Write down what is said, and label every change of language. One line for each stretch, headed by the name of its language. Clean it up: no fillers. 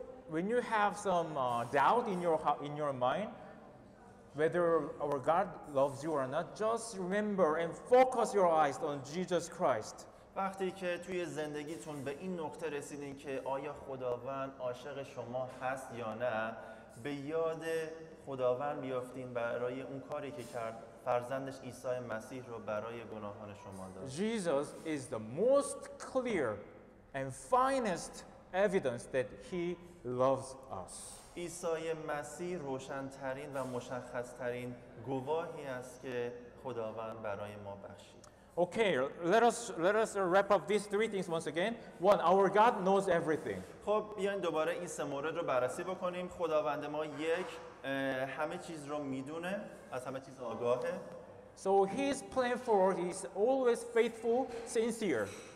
English: When you have some doubt in your mind whether our God loves you or not, just remember and focus your eyes on Jesus Christ.
Persian: وقتی که توی زندگیتون به این نقطه رسیدین که آیا خداوند عاشق شما هست یا نه، به یاد خداوند بیافتین برای اون کاری که کرد، فرزندش عیسی مسیح رو برای گناهان شما داد.
English: Jesus is the most clear and finest evidence that he loves us.
Persian: عیسی مسیح روشن‌ترین و مشخص‌ترین گواهی است که خداوند برای ما بخشید.
English: Okay, let us wrap up these three things once again. One, our God knows everything.
Persian: خب بیاین دوباره این سه مورد رو بررسی بکنیم. خداوند ما یک همه چیز رو میدونه، از همه چیز آگاهه.
English: So his plan for us is always faithful, sincere.